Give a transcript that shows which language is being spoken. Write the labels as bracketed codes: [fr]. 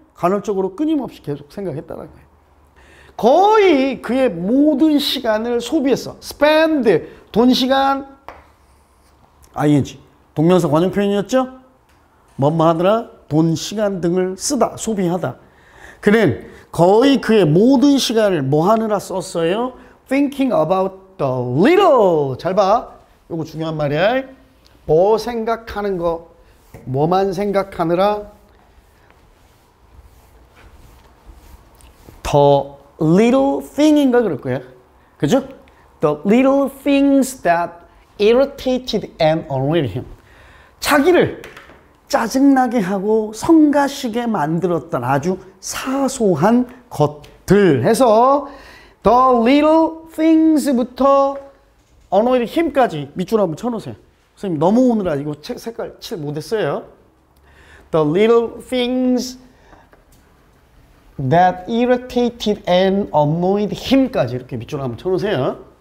[ko] 간헐적으로 끊임없이 계속 생각했다라는 거예요. 거의 그의 모든 시간을 소비했어. spend, 돈 시간, ing, 동명사 관용 표현이었죠? 뭐뭐 하더라? 돈 시간 등을 쓰다, 소비하다. 그는 거의 그의 모든 시간을 뭐 하느라 썼어요? thinking about the little. 잘 봐. 요거 중요한 말이야. 뭐 생각하는 거. 뭐만 생각하느라 [en] the little thing [ko] 인가 그럴 거야. 그죠? [en] The little things that irritated and annoyed him. [ko] 자기를 짜증나게 하고 성가시게 만들었던 아주 사소한 것들 해서 [en] the little things [ko] 부터 [en] annoyed him [ko] 까지 밑줄 한번 쳐놓으세요. 선생님 너무 오느라 이거 색깔 칠 못했어요. [en] The little things that irritated and annoyed him까지 [ko] 이렇게 밑줄 한번 쳐놓으세요.